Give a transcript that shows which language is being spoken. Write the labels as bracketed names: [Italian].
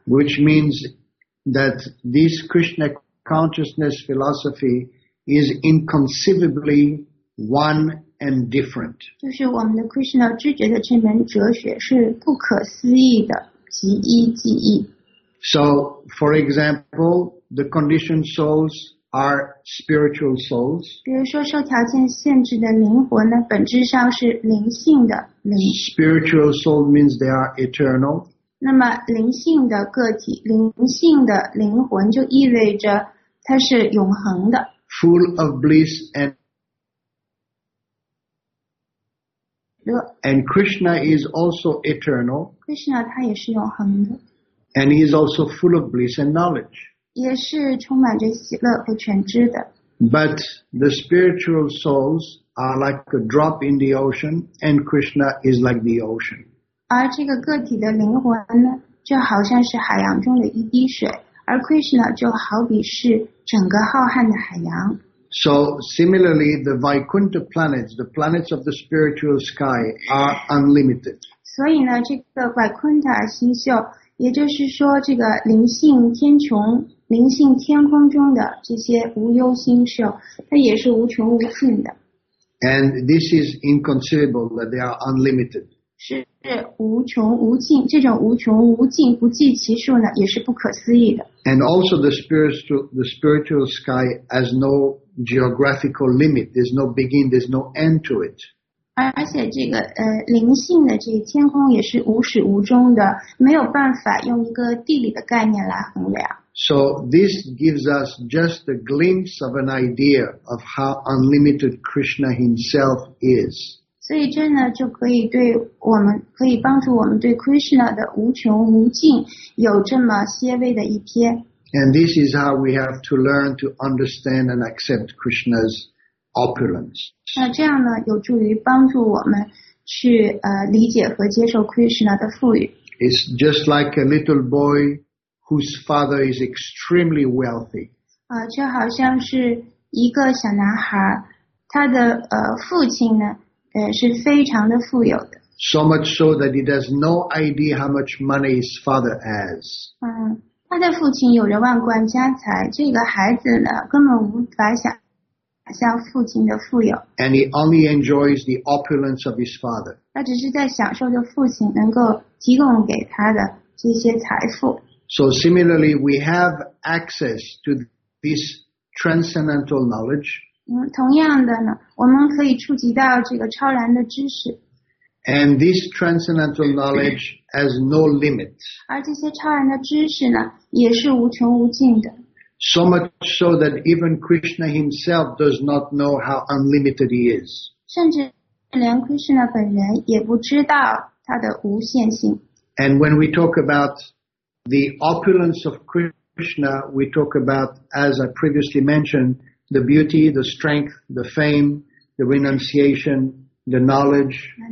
[English] Which means that this Krishna consciousness philosophy is inconceivably one and different. [Chinese] 就是我们的 Krishna 知觉的这门哲学是不可思议的即一即一。 [English] So, for example, the conditioned souls are spiritual souls. [Chinese] 比如说受条件限制的灵魂呢，本质上是灵性的灵。 [English] Spiritual soul means they are eternal. [Chinese] 那么灵性的个体，灵性的灵魂就意味着它是永恒的。 [English] Full of bliss and [Chinese] 乐。 [English] And Krishna is also eternal. [Chinese] Krishna 它也是永恒的。 [English] And he is also full of bliss and knowledge. [Chinese] 也是充满着喜乐和全知的。 [English] But the spiritual souls are like a drop in the ocean, and Krishna is like the ocean. [Chinese] 而这个个体的灵魂呢，就好像是海洋中的一滴水，而 Krishna 就好比是整个浩瀚的海洋。 [English] So similarly, the Vaikuntha planets, the planets of the spiritual sky, are unlimited. [Chinese] 所以呢，这个 Vaikuntha 星宿也就是说这个灵性天穹灵性天空中的这些无忧星宿它也是无穷无尽的。 [English] And this is inconceivable that they are unlimited. [Chinese] 是无穷无尽这种无穷无尽不计其数呢也是不可思议的。 [English] And also the spiritual sky has no geographical limit. There's no beginning, there's no end to it. [Chinese] 而且这个灵性的这个天空也是无始无终的，没有办法用一个地理的概念来衡量。 [English] So this gives us just a glimpse of an idea of how unlimited Krishna himself is. [Chinese] 所以这呢就可以对我们可以帮助我们对 Krishna 的无穷无尽有这么些微的一瞥。 [English] And this is how we have to learn to understand and accept Krishna's. Opulence. [Chinese] 那这样呢，有助于帮助我们去理解和接受 Krishna 的富裕。 [English] It's just like a little boy whose father is extremely wealthy. [Chinese] 就好像是一个小男孩，他的父亲呢，是非常的富有的。 [English] So much so that he has no idea how much money his father has. [Chinese] 他的父亲有着万贯家财，这个孩子呢，根本无法想。像父亲的富有 [English] and he only enjoys the opulence of his father. [Chinese] 他只是在享受着父亲能够提供给他的这些财富。 [English] So similarly, we have access to this transcendental knowledge. [Chinese] 同样的呢，我们可以触及到这个超然的知识。 [English] And this transcendental knowledge has no limit. [Chinese] 而这些超然的知识呢，也是无穷无尽的。 [English] So much so that even Krishna himself does not know how unlimited he is. [Chinese] 甚至连 Krishna 本人也不知道他的无限性。 [English] And when we talk about the opulence of Krishna, we talk about, as I previously mentioned, the beauty, the strength, the fame, the renunciation, the knowledge,